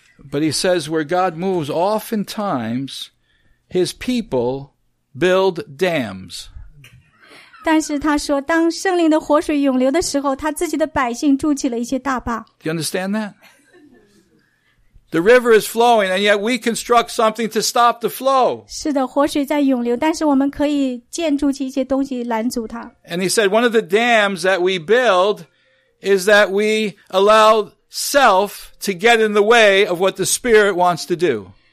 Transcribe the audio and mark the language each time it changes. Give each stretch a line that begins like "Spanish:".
English: But He says where God moves, oftentimes His people build dams.
Chinese: 但是他说, 当圣灵的活水涌流的时候, 他自己的百姓筑起了一些大坝。
English: Do you understand that? The river is flowing, and yet we construct something to stop the flow.
Chinese: 是的, 活水在涌流, 但是我们可以建筑起一些东西拦阻它。
English: And he said, one of the dams that we build is that we allow self to get in the way of what the Spirit wants to do.